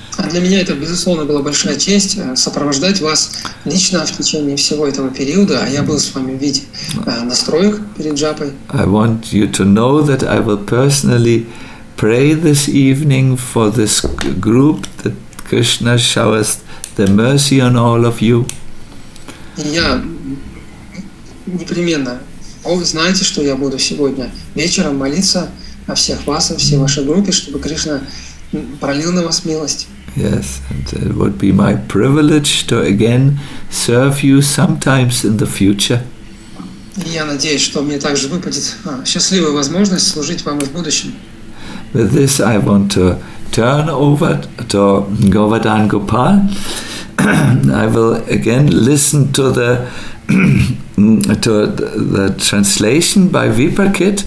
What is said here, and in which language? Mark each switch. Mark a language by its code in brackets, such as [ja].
[ru] Для меня это, безусловно, была большая честь сопровождать вас лично в течение всего этого периода, а я был с вами в виде настроек перед джапой. [en] I want you to know that I will personally pray this evening for this group that Krishna showers the mercy on all of you. [ru] И я непременно, о, знаете, что я буду сегодня вечером молиться о всех вас, о всей вашей группе, чтобы Кришна пролил на вас милость. [en] Yes, and it would be my privilege to again serve you sometimes in the future. [ru] Я надеюсь, что мне также выпадет счастливая возможность служить вам в будущем. [en] With this, I want to turn over to Govardhan Gopal. I will again listen to the translation by Viparkit.